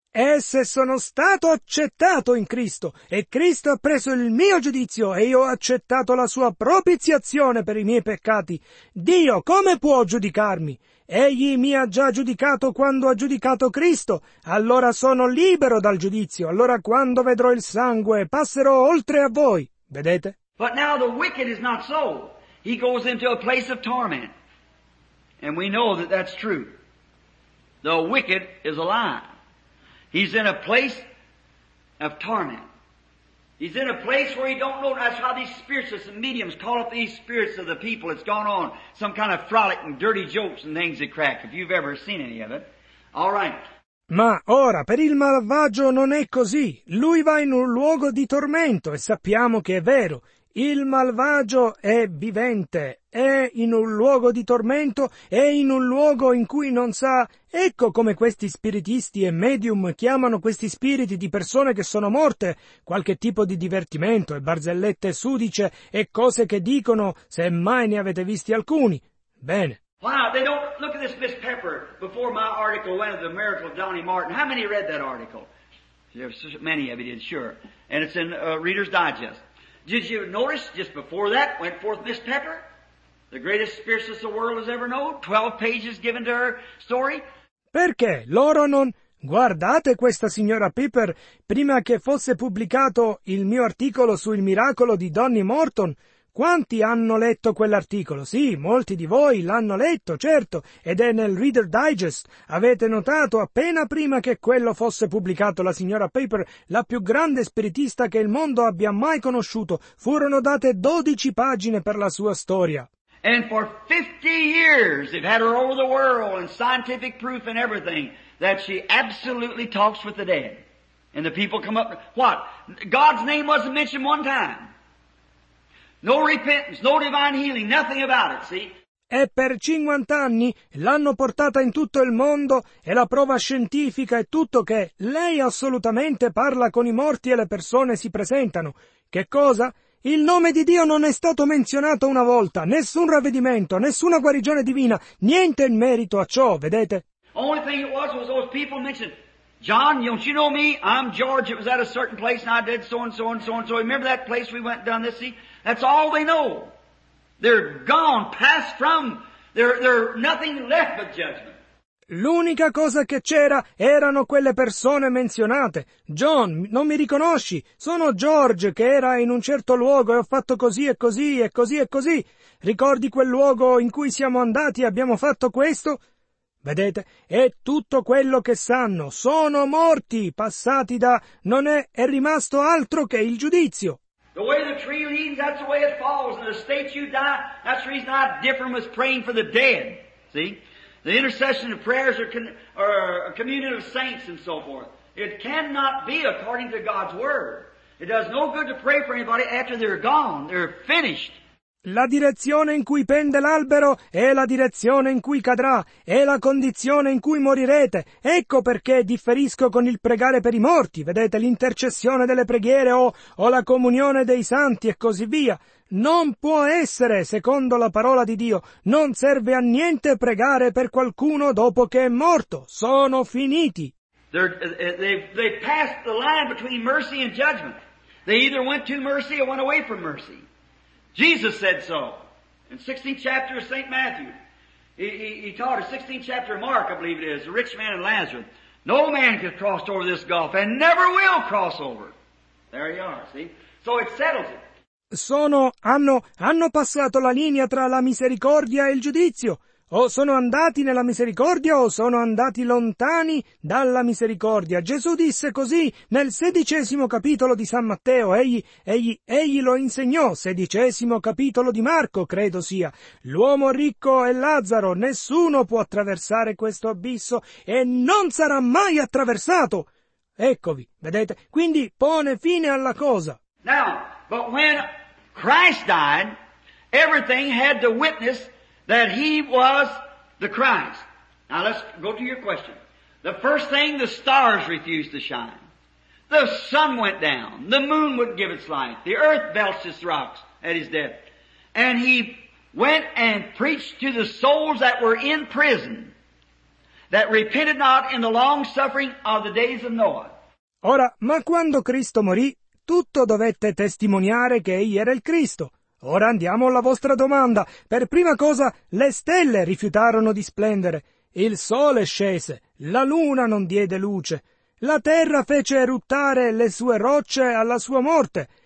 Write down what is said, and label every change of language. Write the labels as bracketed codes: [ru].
[it] E se sono stato accettato in Cristo, e Cristo ha preso il mio giudizio, e io ho accettato la sua propiziazione per i miei peccati, Dio come può giudicarmi? Egli mi ha già giudicato quando ha giudicato Cristo, allora sono libero dal giudizio, allora quando vedrò il sangue passerò oltre a voi, vedete? [en] But now the wicked is not so. He goes into a place of torment. And we know that that's true. The wicked is a lie. He's in a place of torment. He's in a place where he don't know. That's how these spiritists and mediums call up these spirits of the people. It's gone on. Some kind of frolic and dirty jokes and things they crack, if you've ever seen any of it. All right. [it] Ma ora, per il malvagio non è così. Lui va in un luogo di tormento e sappiamo che è vero. Il malvagio è vivente, è in un luogo di tormento, è in un luogo in cui non sa. Ecco come questi spiritisti e medium chiamano questi spiriti di persone che sono morte, qualche tipo di divertimento e barzellette sudice e cose che dicono, se mai ne avete visti alcuni. Bene. [en] Wow, they don't look at this Miss Pepper before my article went of the miracle of Donnie Martin. How many read that article? There's many of you did, sure. And it's in Reader's Digest. Did you notice just before that went forth Miss Pepper, the greatest spiritist the world has ever known, 12 pages given to her story? [it] Perché loro non guardate questa signora Pepper prima che fosse pubblicato il mio articolo sul miracolo di Donnie Morton? Quanti hanno letto quell'articolo? Sì, molti di voi l'hanno letto, certo, ed è nel Reader Digest. Avete notato, appena prima che quello fosse pubblicato, la signora Pepper, la più grande spiritista che il mondo abbia mai conosciuto, furono date 12 pagine per la sua storia. [en] And for 50 years they've had her over the world and scientific proof and everything that she absolutely talks with the dead. And the people come up, what? God's name wasn't mentioned one time. No repentance, no divine healing, nothing about it, see? [it] E per 50 anni l'hanno portata in tutto il mondo e la prova scientifica è tutto che lei assolutamente parla con i morti e le persone si presentano. Che cosa? Il nome di Dio non è stato menzionato una volta, nessun ravvedimento, nessuna guarigione divina, niente in merito a ciò, vedete? [en] Only thing it was those people mentioned. John, don't you know me? I'm George. It was at a certain place and I did so and so and so and so. Remember that place we went down this, see? That's all they know. They're gone, passed from. They're nothing left but judgment. [it] L'unica cosa che c'era erano quelle persone menzionate. John, non mi riconosci? Sono George che era in un certo luogo e ho fatto così e così e così e così. Ricordi quel luogo in cui siamo andati e abbiamo fatto questo? Vedete, è tutto quello che sanno, sono morti, passati da, non è, è rimasto altro che il giudizio. [en] The way the tree leans, that's the way it falls, and the state you die, that's the reason I differ with praying for the dead, see? The intercession of prayers are a communion of saints and so forth. It cannot be according to God's word. It does no good to pray for anybody after they're gone, they're finished. [it] La direzione in cui pende l'albero è la direzione in cui cadrà, è la condizione in cui morirete. Ecco perché differisco con il pregare per i morti, vedete, l'intercessione delle preghiere o la comunione dei santi e così via. Non può essere, secondo la parola di Dio, non serve a niente pregare per qualcuno dopo che è morto. Sono finiti. [en] They passed the line between mercy and judgment. They either went to mercy or went away from mercy. Jesus said so. In 16th chapter of St. Matthew, he taught a 16th chapter of Mark, I believe it is, the rich man and Lazarus. No man could cross over this gulf and never will cross over. There you are, see? So it settles it. [it] Hanno passato la linea tra la misericordia e il giudizio. O sono andati nella misericordia o sono andati lontani dalla misericordia. Gesù disse così nel 16° capitolo di San Matteo. Egli lo insegnò. 16° capitolo di Marco, credo sia. L'uomo ricco è Lazzaro. Nessuno può attraversare questo abisso e non sarà mai attraversato. Eccovi, vedete? Quindi pone fine alla cosa. [en] Now, but when Christ died, everything had to witness that he was the Christ. Now let's go to your question. The first thing, the stars refused to shine. The sun went down. The moon wouldn't give its light. The earth belched its rocks at his death. And he went and preached to the souls that were in prison. that repented not in the long suffering of the days of Noah. [it] Ora, ma quando Cristo morì, tutto dovette testimoniare che egli era il Cristo. Ora andiamo alla vostra domanda. Per prima cosa, le stelle rifiutarono di splendere. Il sole scese, la luna non diede luce. La terra fece eruttare le sue rocce alla sua morte.